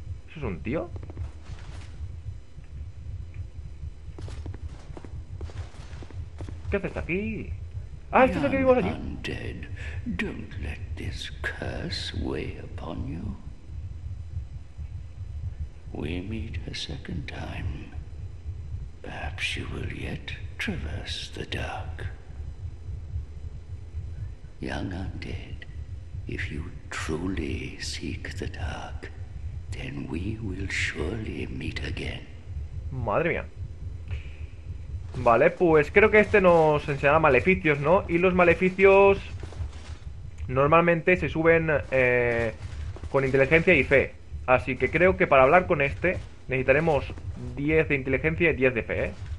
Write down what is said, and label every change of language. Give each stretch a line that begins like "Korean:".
Spanish: ¿Eso es un tío? ¿Qué haces aquí? Ah, esto es lo que vimos allí.
English: Don't let this curse weigh upon you. We meet a second time. Perhaps you will yet traverse the dark. Young undead, if you truly seek the dark, then we will surely meet again.
Spanish: Madre mía. Vale, pues creo que este nos enseñará maleficios, ¿no? Y los maleficios normalmente se suben con inteligencia y fe. Así que creo que para hablar con este necesitaremos 10 de inteligencia y 10 de fe, ¿eh?